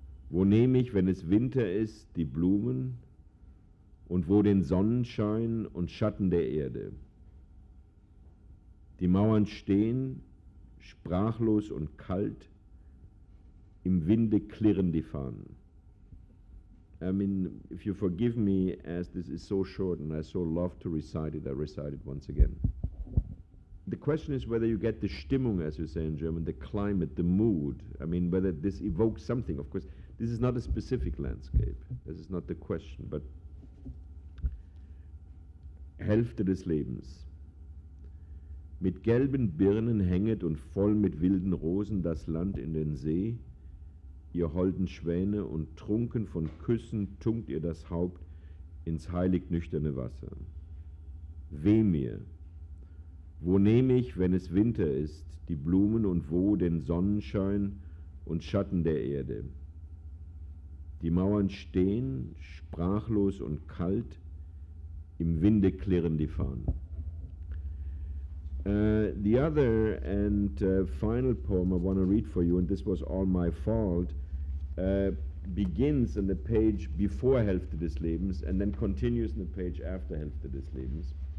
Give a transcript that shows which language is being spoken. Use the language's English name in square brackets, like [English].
[German] Wo nehme ich, wenn es Winter ist, die Blumen? Und wo den Sonnenschein und Schatten der Erde? Die Mauern stehen, sprachlos und kalt, im Winde klirren die Fahnen. [English] I mean, if you forgive me, as this is so short and I so love to recite it, I recite it once again. The question is whether you get the Stimmung, as you say in German, the climate, the mood. I mean, whether this evokes something. Of course, this is not a specific landscape. This is not the question, but Hälfte des Lebens. [German] Mit gelben Birnen hänget und voll mit wilden Rosen das Land in den See. Ihr holden Schwäne und trunken von Küssen tunkt ihr das Haupt ins heilig nüchterne Wasser. Weh mir! Wo nehme ich, wenn es Winter ist, die Blumen und wo den Sonnenschein und Schatten der Erde? Die Mauern stehen, sprachlos und kalt, im Winde klirren die Fahnen. [English] The other and final poem I want to read for you, and this was all my fault, begins in the page before Hälfte des Lebens and then continues in the page after Hälfte des Lebens.